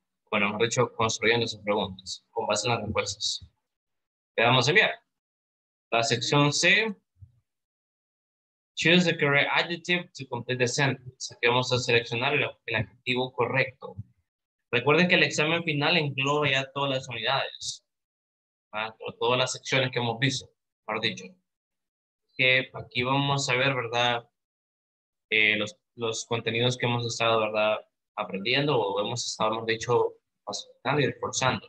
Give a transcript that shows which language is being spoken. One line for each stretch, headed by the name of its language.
Spanish: Bueno, mejor dicho, construyendo esas preguntas con base en las respuestas. Le damos a enviar. La sección C.
English: Choose the correct adjective to complete the sentence.
Spanish: Aquí vamos a seleccionar el adjetivo correcto. Recuerden que el examen final engloba ya todas las unidades, ¿verdad? Todas las secciones que hemos visto, mejor dicho. Que aquí vamos a ver, ¿verdad? Los contenidos que hemos estado, ¿verdad? Aprendiendo o hemos estado, hemos dicho, facilitando y reforzando.